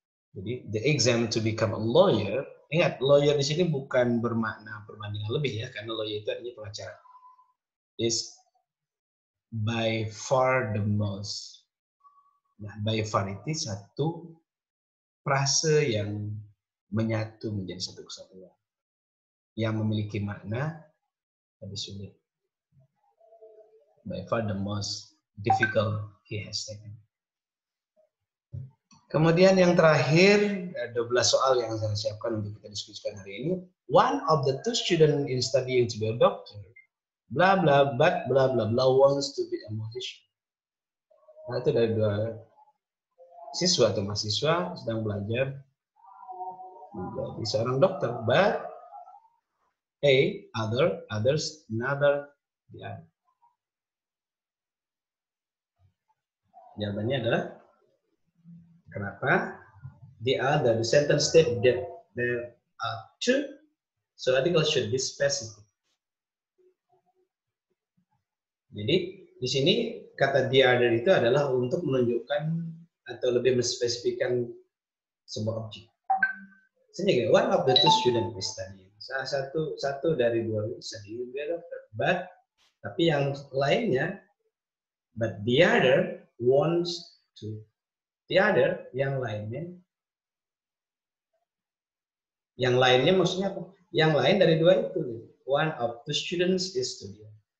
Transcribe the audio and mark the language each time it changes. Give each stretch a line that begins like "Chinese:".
Indonesian: Jadi
English: the exam to become a lawyer,
Indonesian: ingat lawyer di sini bukan bermakna perbandingan lebih ya, karena lawyer itu artinya pengacara. Is
English: by far the most.
Indonesian: Nah, by far itu satu frase yang menyatu menjadi satu kesatuan yang memiliki makna lebih sulit.
English: By far the most difficult he has taken.
Indonesian: Kemudian yang terakhir, 12 soal yang saya siapkan untuk kita diskusikan hari ini.
English: One of the two students in studying to be a doctor, blah blah, but blah blah blah, wants to be a musician.
Indonesian: Nah, itu dari dua siswa atau mahasiswa sedang belajar menjadi seorang dokter,
English: but A, other, others, another, the other.
Indonesian: Jawabannya adalah, kenapa?
English: The other, the sentence state that there are two, so article should be specific.
Indonesian: Jadi, di sini kata the other itu adalah untuk menunjukkan atau lebih menspesifikkan sebuah objek.
English: Sehingga, one of the two students is studying.
Indonesian: Salah satu dari dua studying, but, tapi yang lainnya,
English: but the other wants to.
Indonesian: The other, yang lainnya maksudnya apa? Yang lain dari dua itu,
English: one of the students is studying.